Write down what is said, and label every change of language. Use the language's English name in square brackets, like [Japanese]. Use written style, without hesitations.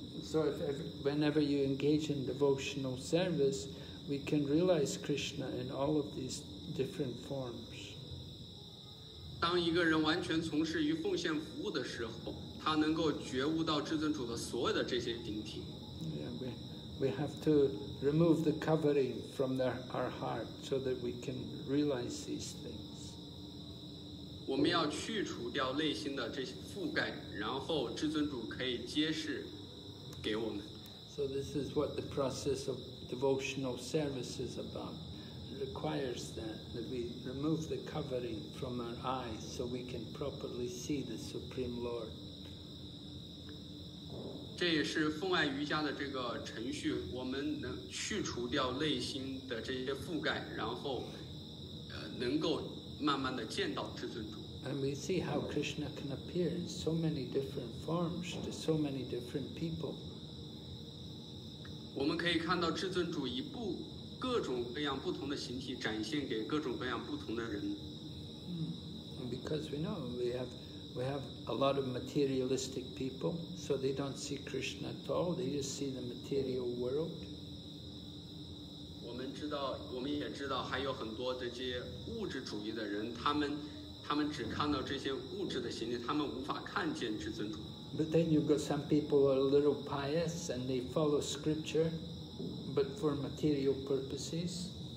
[English] So whenever you engage in devotional service, we can realize Krishna in all of these different forms. [Chinese] 当一个人完全从事于奉献服务的时候，他能够觉悟到至尊主的所有的这些顶体。 [English] We have to remove the covering from our heart so that we can realize these things. [Chinese] 我们要去除掉内心的这些覆盖，然后至尊主可以揭示给我们。 [English] So this is what the process of devotional service is about. It requires that we remove the covering from our eyes so we can properly see the Supreme Lord. [Chinese] 这也是奉爱瑜伽的这个程序，我们能去除掉内心的这些覆盖，然后能够慢慢的见到至尊主。 [English] And we see how Krishna can appear in so many different forms to so many different people. [Chinese] 我们可以看到至尊主以各种各样不同的形体展现给各种各样不同的人。 [English] Because we know we have a lot of materialistic people, so they don't see Krishna at all, they just see the material world. [Chinese] 我们也知道还有很多这些物质主义的人，他们只看到这些物质的形体，他们无法看见至尊主。 [English] But then you've got some people who are a little pious and they follow scripture, but for material purposes.